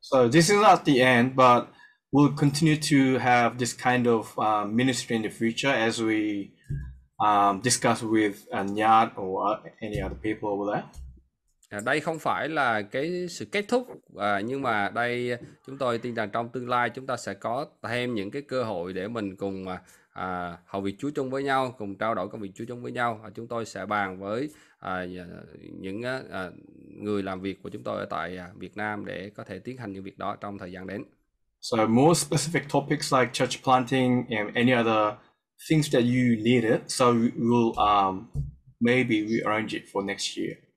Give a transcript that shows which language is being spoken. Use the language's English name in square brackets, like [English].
[English] This is not the end, but we'll continue to have this kind of ministry in the future as we discuss with Nhat or any other people over there. [Vietnamese] Đây không phải là cái sự kết thúc, nhưng mà đây chúng tôi tin rằng trong tương lai chúng ta sẽ có thêm những cái cơ hội để mình cùng hầu việc Chúa chung với nhau, cùng trao đổi công việc Chúa chung với nhau. Chúng tôi sẽ bàn với những người làm việc của chúng tôi ở tại Việt Nam để có thể tiến hành những việc đó trong thời gian đến. [English] So more specific topics like church planting and any other things that you needed, so we'll maybe rearrange it for next year.